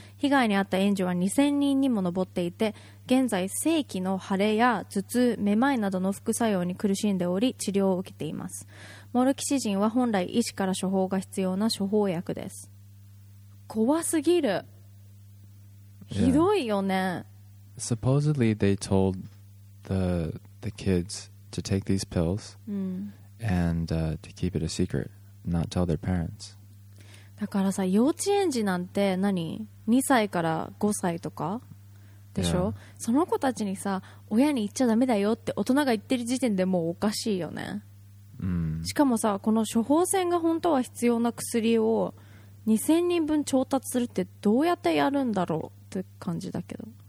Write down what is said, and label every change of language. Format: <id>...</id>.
<ja>被害に遭った園児は2000人にも上っていて、現在性器の腫れや頭痛、めまいなどの副作用に苦しんでおり治療を受けています。モロキシジンは本来医師から処方が必要な処方薬です。怖すぎる。ひどいよね。</ja> <en>Supposedly they told the kids to take these pills、and to keep it a secret, not tell their parents.</en> <ja>だからさ、幼稚園児なんて何 ?2 歳から5歳とかでしょ、その子たちにさ、親に言っちゃダメだよって大人が言ってる時点でもうおかしいよね。しかもさ、この処方箋が本当は必要な薬を2000人分調達するってどうやってやるんだろうって感じだけど。</ja>